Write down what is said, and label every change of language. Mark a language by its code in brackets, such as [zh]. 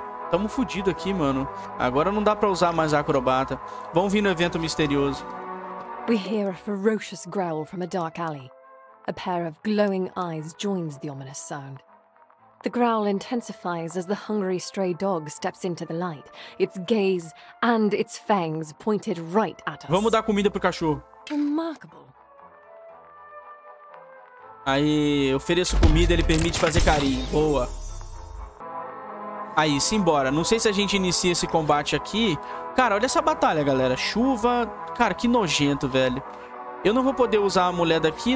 [pt] Tamo fudido aqui, mano. Agora não dá pra usar mais acrobata. Vamos vir no evento misterioso. [en] We hear a ferocious growl from a dark alley. A pair of glowing eyes joins the ominous sound. The growl intensifies as the hungry stray dog steps into the light, its gaze and its fangs pointed right at us. [pt] Vamos dar comida pro cachorro. [en] Remarkable. [pt] Aí, ofereço comida, ele permite fazer carinho. Boa. Aí, simbora. Não sei se a gente inicia esse combate aqui. Cara, olha essa batalha, galera. Chuva. Cara, que nojento, velho. Eu não vou poder usar a mulher daqui.